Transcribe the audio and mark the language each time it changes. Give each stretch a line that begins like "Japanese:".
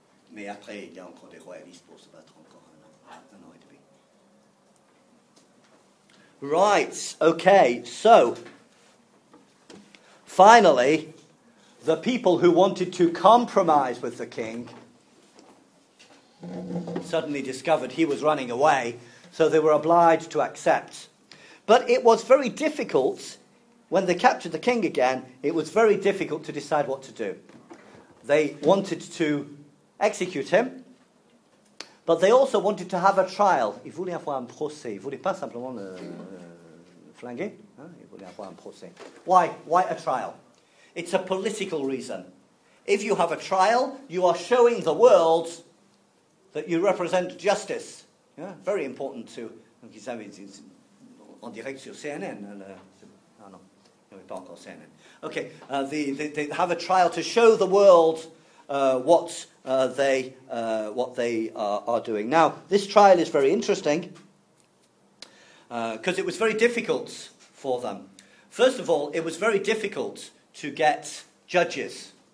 French: Mais après, il y a encore des royalistes pour se battre encore un an et demi.
English: Right, okay, so, finally, the people who wanted to compromise with the king suddenly discovered he was running away, so they were obliged to accept. But it was very difficult, when they captured the king again, it was very difficult to decide what to do. They wanted to execute him, but they also wanted to have a trial.
French: Ils voulaient avoir un procès, ils ne voulaient pas simplement le flinguer. Ils voulaient avoir un procès.
English: Why? Why a trial? It's a political reason. If you have a trial, you are showing the world that you represent justice. Yeah? Very important to...
French: Donc, ils avaient dit, en direct sur CNN. Ah non, il n'y avait pas encore CNN.
English: OK, they have a trial to show the world what they are doing. Now, this trial is very interesting because it was very difficult for them. First of all, it was very difficult to get judges.